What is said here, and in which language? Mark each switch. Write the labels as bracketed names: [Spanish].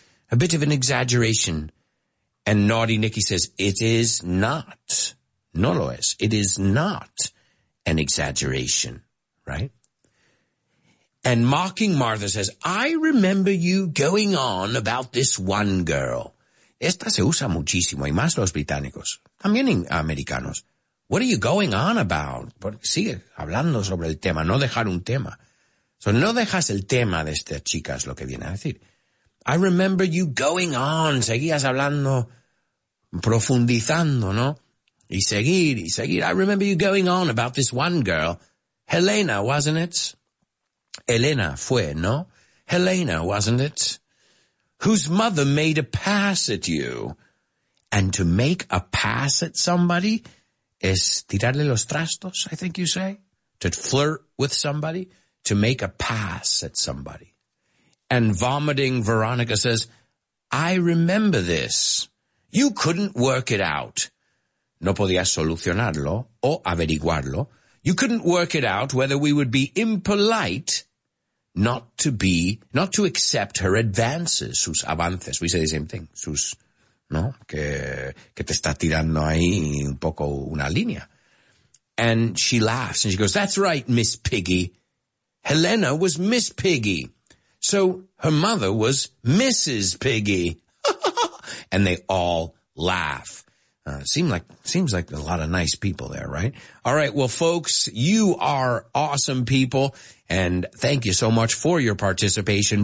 [English] A bit of an exaggeration. And naughty Nikki says, it is not. [Spanish] No lo es. [English] It is not an exaggeration, right? And mocking Martha says, I remember you going on about this one girl. [Spanish] Esta se usa muchísimo, y más los británicos. También americanos. [English] What are you going on about? [Spanish] Sigue hablando sobre el tema, no dejar un tema. So no dejas el tema de esta chica, es lo que viene a decir. [English] I remember you going on, [Spanish] seguías hablando, profundizando, ¿no? Y seguir. [English] I remember you going on about this one girl. Helena, wasn't it? [Spanish] Elena fue, no? [English] Helena, wasn't it? Whose mother made a pass at you. And to make a pass at somebody [Spanish] es tirarle los trastos, [English] I think you say. To flirt with somebody, to make a pass at somebody. And vomiting, Veronica says, I remember this. You couldn't work it out. [Spanish] No podías solucionarlo o averiguarlo. [English] You couldn't work it out whether we would be impolite not to accept her advances, [Spanish] sus avances. [English] We say the same thing, [Spanish] sus, ¿no? Que te está tirando ahí un poco una línea. [English] And she laughs and she goes, that's right, Miss Piggy. Helena was Miss Piggy. So her mother was Mrs. Piggy. And they all laugh. Seems like a lot of nice people there, right? All right, well, folks, you are awesome people, and thank you so much for your participation.